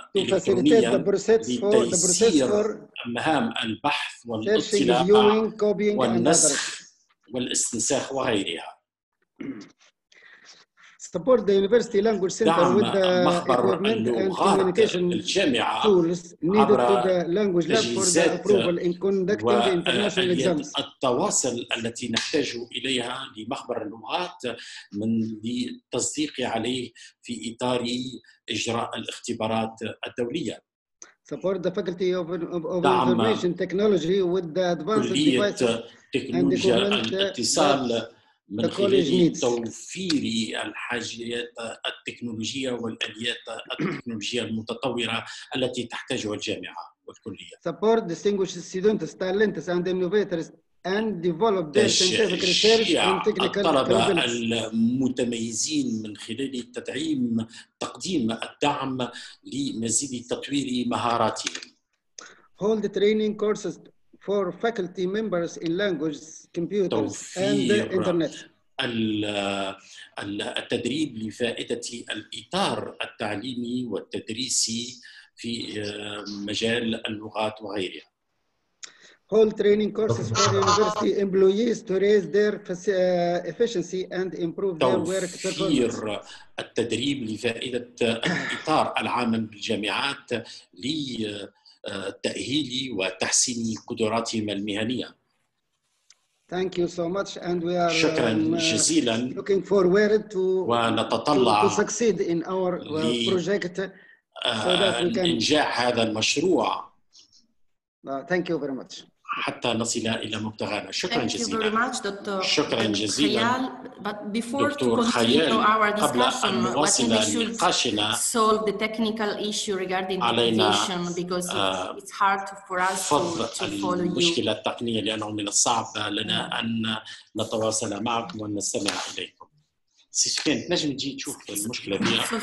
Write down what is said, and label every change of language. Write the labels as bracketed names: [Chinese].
[English] to facilitate the process for the process for [Arabic] مهام البحث والاطلاع [English] viewing, copying, [Arabic] والنسخ والاستنساخ وغيرها. [English] Support the university language center with the equipment and communication tools needed to the language lab for the approval in conducting the international exams. [Arabic] التواصل التي نحتاج إليها لمخبر اللغات من للتصديق عليه في إطار إجراء الاختبارات الدولية. [English] Support the faculty of information technology with the advanced devices and equipment. [Arabic] من خلال توفير الحاجيات التكنولوجية والآليات التكنولوجية المتطورة التي تحتاجها الجامعة والكلية. [English] Support distinguished students, talents and innovators and develop their scientific research and technical [Arabic] الطلبة المتميزين من خلال تقديم الدعم لمزيد تطوير مهاراتهم. [English] Hold the training courses for faculty members in languages, computers and the internet. [Arabic] التدريب لفائدة الإطار التعليمي والتدريسي في مجال اللغات وغيرها. [English] Hold training courses for university employees to raise their efficiency and improve their work performance. [Arabic] توفير التدريب لفائدة الإطار العام بالجامعات لتأهيل وتحسين قدراتهم المهنية. [English] Thank you so much, and we are looking forward to succeed in our project so that we can. Thank you very much. [Arabic] حتى نصل إلى مبتغانا. شكرا جزيلا. شكرا جزيلا. دكتور خيال. قبل أن نواصل نقاشنا. [English] solve the technical issue regarding education because it's hard for us to follow you. [Arabic] المشكلة التقنية لأنه من الصعب لنا أن نتواصل معكم ونستمع إليكم. سفيان نجم تجي تشوف المشكلة دي.